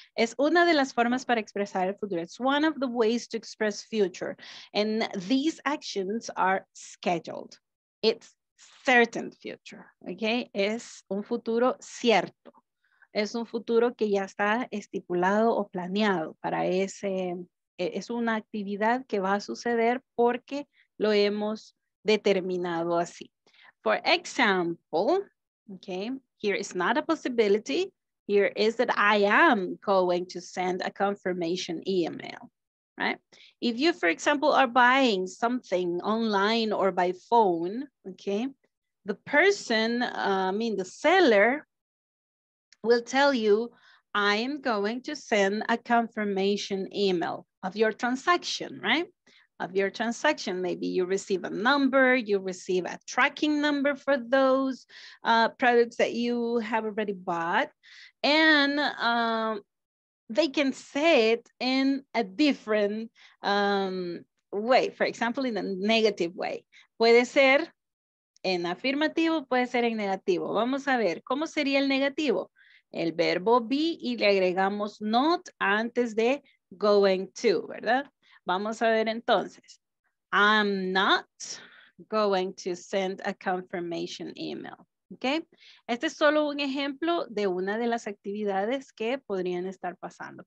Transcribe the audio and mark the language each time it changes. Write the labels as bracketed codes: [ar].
[es] Es una de las formas para expresar el futuro. [en] It's one of the ways to express future. And these actions are scheduled. It's certain future, okay? [es] Es un futuro cierto. Es un futuro que ya está estipulado o planeado para ese, es una actividad que va a suceder porque lo hemos determinado así. [en] For example, okay, here is not a possibility. Here is that I am going to send a confirmation email, right? If you, for example, are buying something online or by phone, okay, the person, the seller will tell you, I am going to send a confirmation email of your transaction, right? Of your transaction, maybe you receive a number, you receive a tracking number for those products that you have already bought. And they can say it in a different way. For example, in a negative way. [es] Puede ser en afirmativo, puede ser en negativo. Vamos a ver, ¿cómo sería el negativo? El verbo be y le agregamos not antes de going to, ¿verdad? Vamos a ver entonces. [en] I'm not going to send a confirmation email. Okay. [es] Este es solo un ejemplo de una de las actividades que podrían estar pasando.